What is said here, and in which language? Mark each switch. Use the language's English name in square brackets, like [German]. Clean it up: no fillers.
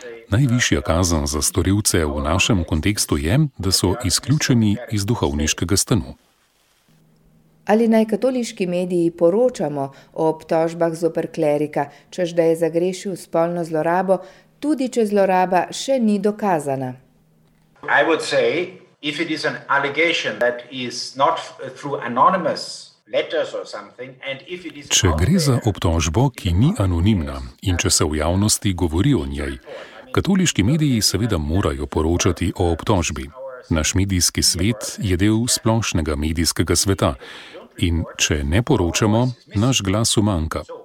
[Slovenian] Najvišja kazen za storilce v našem kontekstu je, da so izključeni iz duhovniškega stanu. Ali naj katoliški mediji poročamo o obtožbah zoper klerika, češ da je zagrešil spolno zlorabo, tudi če zloraba še ni dokazana? [English] I would say, if it is an allegation that is not through anonymous letters or something, and if it is... [Slovenian] Če gre za obtožbo, ki ni anonimna in če se v javnosti govori o njej, katoliški mediji seveda morajo poročati o obtožbi. Naš medijski svet je del splošnega medijskega sveta in če ne poročamo, naš glas umanka.